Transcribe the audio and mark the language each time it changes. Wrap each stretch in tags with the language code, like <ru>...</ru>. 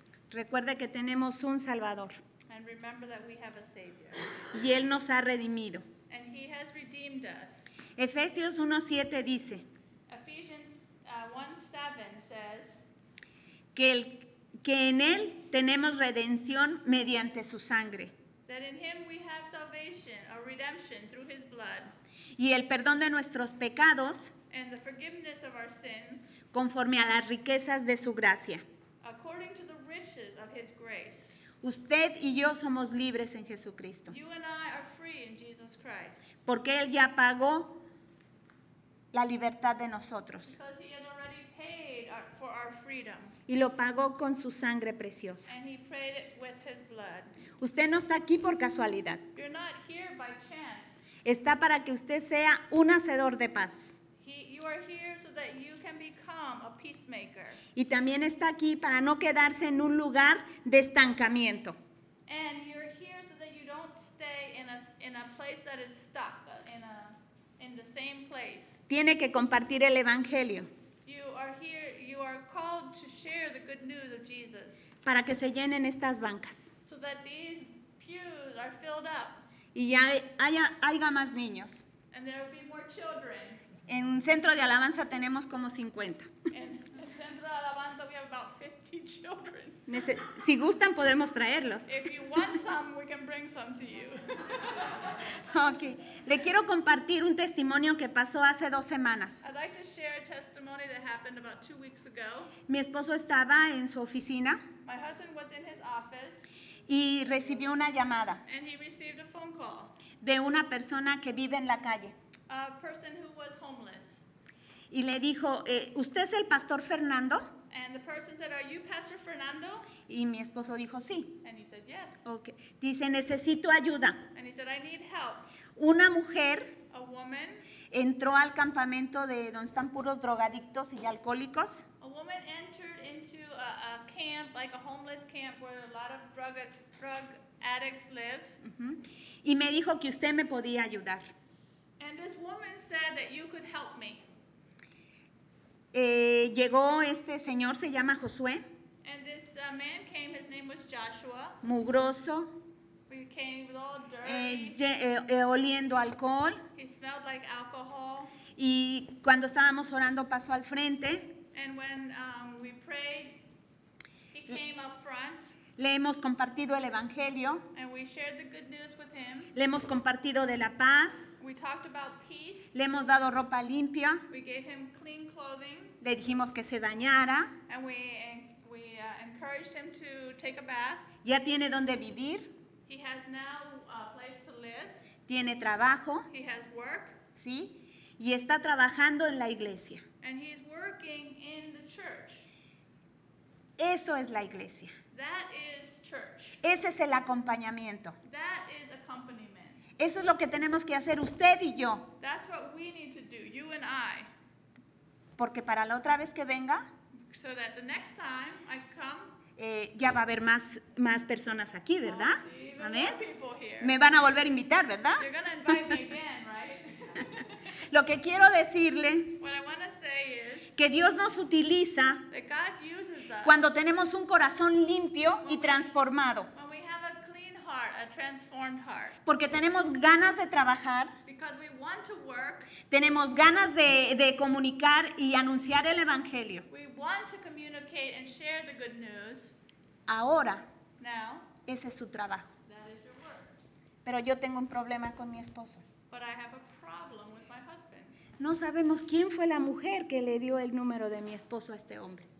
<es>Recuerde que tenemos un Salvador.</es> <en>And remember that we have a Savior.</en> <es>Y Él nos ha redimido.</es> <en>And He has redeemed us.</en> <es>Efesios 1:7 dice,</es> <en>Ephesians 1:7 says,</en> <es>que el que en Él tenemos redención mediante su sangre.</es> <en>That in Him we have salvation, or redemption through His blood.</en> <es>Y el perdón de nuestros pecados,</es> <en>and the forgiveness of our sins,</en> <es>conforme a las riquezas de su gracia.</es> <en>According to the riches of His grace.</en> <es>Usted y yo somos libres en Jesucristo.</es> <en>You and I are free in Jesus Christ.</en> <es>Porque Él ya pagó la libertad de nosotros.</es> <en>Because He has already paid for our freedom.</en> <es>Y lo pagó con su sangre preciosa.</es> <en>And he prayed it with his blood.</en> <es>Usted no está aquí por casualidad.</es> <en>You're not here by chance.</en> <es>Está para que usted sea un hacedor de paz.</es> <en>You are here so that you can become a peacemaker.</en> <es>Y también está aquí para no quedarse en un lugar de estancamiento.</es> <en>And you're here so that you don't stay in a place that is stuck, in the same place.</en> <es>Tiene que compartir el evangelio.</es> <en>You are here, you are called to share the good news of Jesus.</en> <es>Para que se llenen estas bancas.</es> <en>So that these pews are filled up.</en> <es>Y ya haya más niños.</es> <en>And there will be more children.</en> <es>En un centro de alabanza tenemos como 50.</es> <en>In the center of alabanza we have about 50 children.</en> <es>Si gustan podemos traerlos.</es> <en>If you want some, we can bring some to you. Okay.</en> <es>Le quiero compartir un testimonio que pasó hace 2 semanas.</es> <en>I'd like to share a testimony that happened about 2 weeks ago.</en> <es>Mi esposo estaba en su oficina.</es> <en>My husband was in his office.</en> <es>Y recibió una llamada.</es> <en>And he received a phone call.</en> <es>De una persona que vive en la calle.</es> <en>A person who was homeless.</en> <es>Y le dijo, ¿usted es el pastor Fernando?</es> <en>And the person said, are you Pastor Fernando?</en> <es>Y mi esposo dijo, sí.</es> <en>And he said, yes.</en> <es>Okay. Dice, necesito ayuda.</es> <en>And he said, I need help.</en> <es>Una mujer,</es> <en>a woman,</en> <es>entró al campamento de donde están puros drogadictos y alcohólicos.</es> <en>A woman entered into a camp, like a homeless camp, where a lot of drug addicts live.</en> <es>Y me dijo que usted me podía ayudar.</es> <en>And this woman said that you could help me.</en> <es>Llegó este señor, se llama Josué.</es> <en>And this man came, his name was Joshua.</en> <es>Mugroso.</es> <en>He came with all dirty.</en> <es>Oliendo alcohol.</es> <en>He smelled like alcohol.</en> <es>Y cuando estábamos orando pasó al frente.</es> <en>And when we prayed, he came up front.</en> <es>Le hemos compartido el evangelio.</es> <en>And we shared the good news with him.</en> <es>Le hemos compartido de la paz.</es> <en>We talked about peace.</en> <es>Le hemos dado ropa limpia.</es> <en>We gave him clean clothing.</en> <es>Le dijimos que se bañara.</es> <en>And we encouraged him to take a bath.</en> <es>Ya tiene donde vivir.</es> <en>He has now a place to live.</en> <es>Tiene trabajo.</es> <en>He has work.</en> <es>Sí. Y está trabajando en la iglesia.</es> <en>And he's working in the church.</en> <es>Eso es la iglesia.</es> <en>That is church.</en> <es>Ese es el acompañamiento.</es> <en>That is accompaniment.</en> <es>Eso es lo que tenemos que hacer usted y yo.</es> <en>That's what we need to do, you and I.</en> <es>Porque para la otra vez que venga,</es> <en>so that the next time I come,</en> <es>ya va a haber más personas aquí, ¿verdad?</es> <en>Oh, see, even more people here.</en> <es>Me van a volver a invitar, ¿verdad?</es> <en>You're gonna invite me again, right?</en> <es>Lo que quiero decirle,</es> <en>what I wanna say is,</en> <es>que Dios nos utiliza</es> <en>that God uses us</en> <es>cuando tenemos un corazón limpio y transformado.</es> <en>When we have a clean heart, a transformed heart.</en> <es>Porque tenemos ganas de trabajar.</es> <en>Because we want to work.</en> <es>Tenemos ganas de comunicar y anunciar el Evangelio.</es> <en>We want to communicate and share the good news.</en> <es>Ahora,</es> <en>now,</en> <es>ese es su trabajo.</es> <en>That is your work.</en> <es>Pero yo tengo un problema con mi esposo.</es> <en>But I have a problem with my husband.</en> <es>No sabemos quién fue la mujer que le dio el número de mi esposo a este hombre.</es>